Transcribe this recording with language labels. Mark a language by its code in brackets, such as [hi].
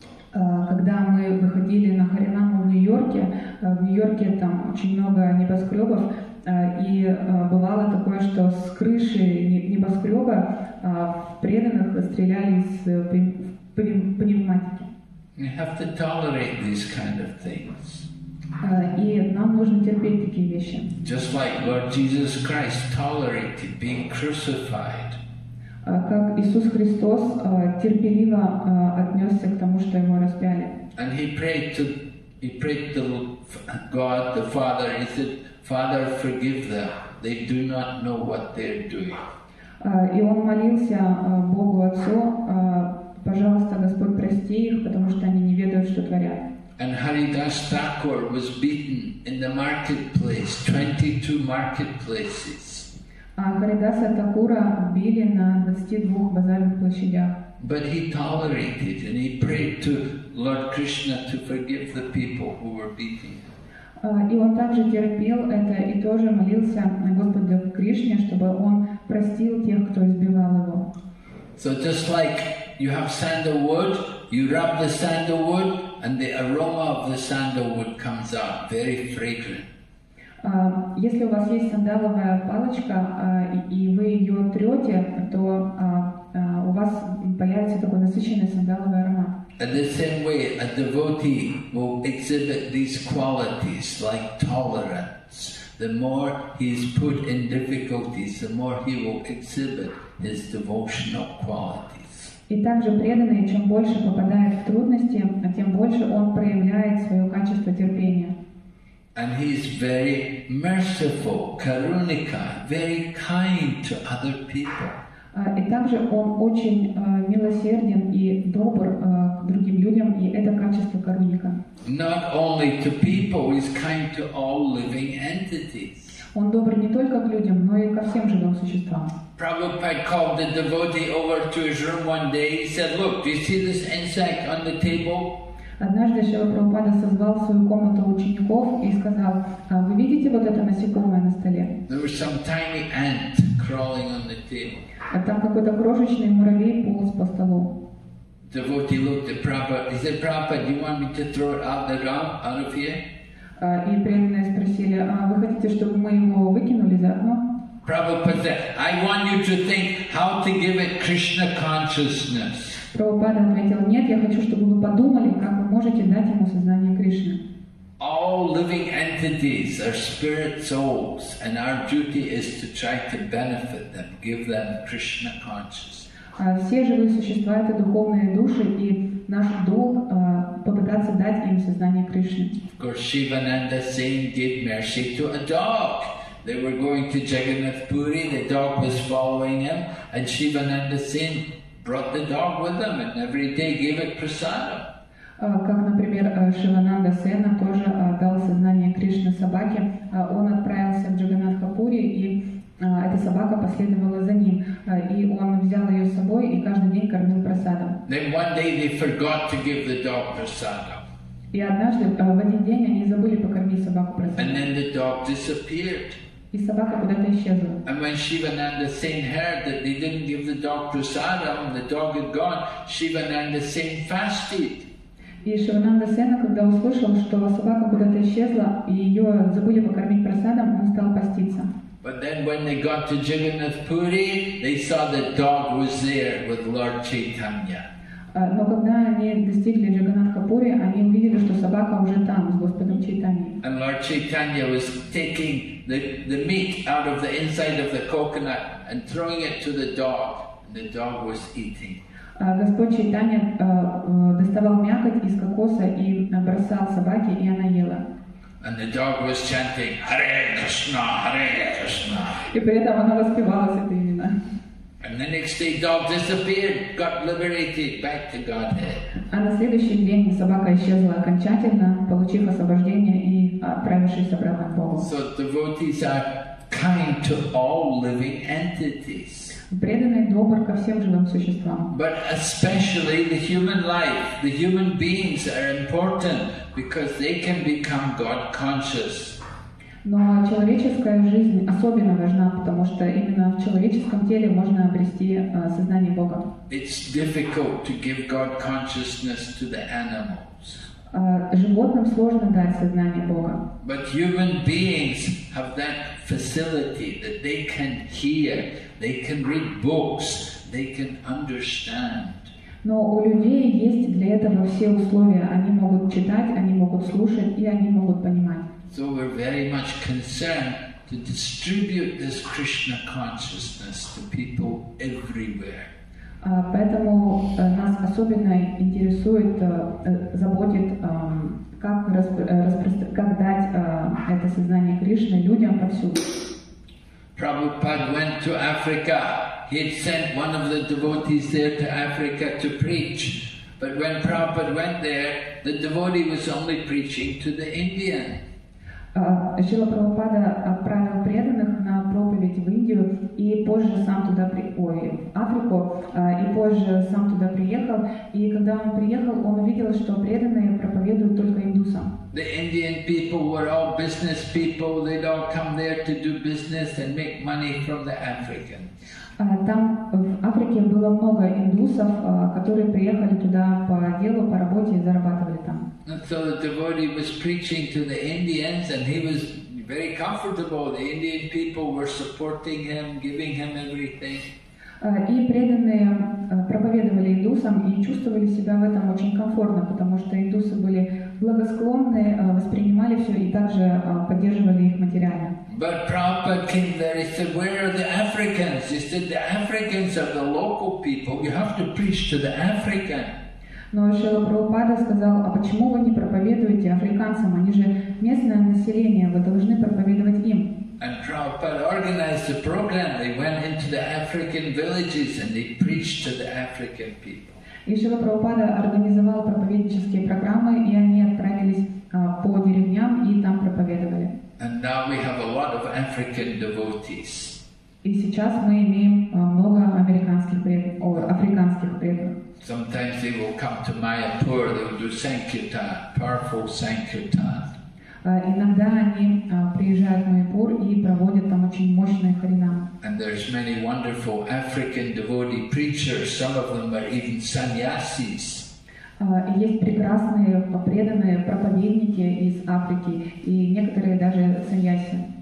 [ru] Когда мы выходили на харинаму в Нью-Йорке там очень много небоскребов, и бывало такое, что с крыши небоскреба преданных стреляли из пневматики. [en] We have to tolerate these kind of things. [ru] И нам нужно терпеть такие вещи. [en] Just like Lord Jesus Christ tolerated being crucified. [ru] Как Иисус Христос терпеливо отнесся к тому, что Ему распяли. [en] And he prayed to God the Father, and he said, Father, forgive them, they do not know what they're doing. [ru] И он молился Богу Отцу, пожалуйста, Господь, прости их, потому что они не ведают, что творят. [en] And Haridas Thakur was beaten in the marketplace, 22 marketplaces. [ru] Харидаса Такура били на 22 базарных площадях. [en] But he tolerated and he prayed to Lord Krishna to forgive the people who were beating him. [ru] И он также терпел это и тоже молился на Господа Кришне, чтобы он простил тех, кто избивал его. [en] So just like you have sandalwood, you rub the sandalwood and the aroma of the sandalwood comes out very fragrant. [ru] Если у вас есть сандаловая палочка, и вы ее трете, то у вас появится такой насыщенный сандаловый аромат. [en] In the same way, a devotee will exhibit these qualities like tolerance. The more he is put in difficulties, the more he will exhibit his devotional qualities. [ru] И также преданный, чем больше попадает в трудности, тем больше он проявляет свое качество терпения. [en] And he is very merciful, karunika, very kind to other people. [ru] И также он очень милосерден и добр к другим людям, и это качество карунника. [en] Not only to people, he's kind to all living entities. [ru] Он добр не только к людям, но и ко всем живым существам. [en] Prabhupada called the devotee over to his room one day. He said, "Look, do you see this insect on the table?" [ru] Однажды Шрила Прабхупада созвал в свою комнату учеников и сказал, «Вы видите вот это насекомое на столе?» [en] There was some tiny ant crawling on the table. [ru] А там какой-то крошечный муравей полз по столу. [en] Devotee looked at Prabhupada. He said, Prabhupada, do you want me to throw it out the room, out of here? [ru] И преданные спросили, «Вы хотите, чтобы мы его выкинули за окно?» [en] Prabhupada said, I want you to think how to give it Krishna consciousness. [ru] Прабхупада ответил, нет, я хочу, чтобы вы подумали, как вы можете дать ему сознание Кришны. [en] All living entities are spirit souls, and our duty is to try to benefit them, give them Krishna consciousness. [ru] Все живые существа — это духовные души, и наш долг — попытаться дать им сознание Кришны. [en] Of course, Shivananda Sen gave mercy to a dog. They were going to Jagannath Puri, the dog was following him, and Shivananda Sen brought the dog with them and every day gave it prasadam. [ru] Как, например, Шивананда Сен тоже дал сознание Кришне собаке. Он отправился в Джаганатхапури, и эта собака последовала за ним. И он взял ее с собой и каждый день кормил прасадом. [en] Then one day they forgot to give the dog prasadam. [ru] И однажды, в один день, они забыли покормить собаку прасадом. [en] And then the dog disappeared. [ru] И собака куда-то исчезла. [en] And when Shivananda Sen heard that they didn't give the dog prasadam, the dog had gone, Shivananda Sen fasted. [ru] И Шивананда Сена, когда услышал, что собака куда-то исчезла, и ее забыли покормить прасадом, он стал поститься. [en] But then when they got to Jagannath Puri, they saw the dog was there with Lord Chaitanya. [ru] Но когда они достигли Джаганнатхапури, они увидели, что собака уже там с Господом Чайтаньей. [en] And Lord Chaitanya was taking the meat out of the inside of the coconut and throwing it to the dog, and the dog was eating. [ru] Господь Чайтанья доставал мякоть из кокоса и бросал собаке, и она ела. [en] And the dog was chanting Hare Krishna, Hare Krishna. [ru] И при этом она воспевала святые имена. [en] And the next day, dog disappeared, got liberated back to Godhead. [ru] А на следующий день собака исчезла окончательно, получив освобождение и отправившись обратно к Богу. [en] So devotees are kind to all living entities. [ru] Преданный добр ко всем живым существам. [en] But especially the human life, the human beings are important because they can become God conscious. [ru] Но человеческая жизнь особенно важна, потому что именно в человеческом теле можно обрести сознание Бога. [en] It's difficult to give God consciousness to the animals. [ru] Животным сложно дать сознание Бога. [en] But human beings have that facility that they can hear, they can read books, they can understand. [ru] Но у людей есть для этого все условия. Они могут читать, они могут слушать и они могут понимать. [en] So we're very much concerned to distribute this Krishna consciousness to people everywhere. [ru] Поэтому нас особенно интересует, заботит, как дать это сознание Кришны людям повсюду. [en] Prabhupada went to Africa. He had sent one of the devotees there to Africa to preach. But when Prabhupada went there, the devotee was only preaching to the Indians. [ru] Шрила Прабхупада отправил преданных на проповедь в Индию и позже сам туда Африку, и позже сам туда приехал, и когда он приехал, он увидел, что преданные проповедуют только индусам. [en] The Indian people were all business people, they'd all come there to do business and make money from the Africans. [ru] Там в Африке было много индусов, которые приехали туда по делу, по работе и зарабатывали там. [en] And so the devotee was preaching to the Indians and he was very comfortable. The Indian people were supporting him, giving him everything. [ru] И преданные проповедовали индусам и чувствовали себя в этом очень комфортно, потому что индусы были благосклонны, воспринимали все и также поддерживали их материально. [en] But Prabhupada came there and said, where are the Africans? He said, the Africans are the local people. You have to preach to the Africans. [ru] Но Шрила Прабхупада сказал, а почему вы не проповедуете африканцам? Они же местное население, вы должны проповедовать им. [en] And Prabhupada organized a program. They went into the African villages and they preached to the African people. [ru] И Шрила Прабхупада организовал проповеднические программы, и они отправились по деревням и там проповедовали. [en] And now we have a lot of African devotees. [ru] И сейчас мы имеем много американских преданных, африканских преданных. [en] Sometimes they will come to Mayapur, they will do Sankirtan, powerful Sankirtan. [ru] Иногда они приезжают в Майпур и проводят там очень мощные харинамы. [en] And there's many wonderful African devotee preachers, some of them are even sannyasis. [ru] Есть прекрасные преданные проповедники из Африки, и некоторые даже саньяси.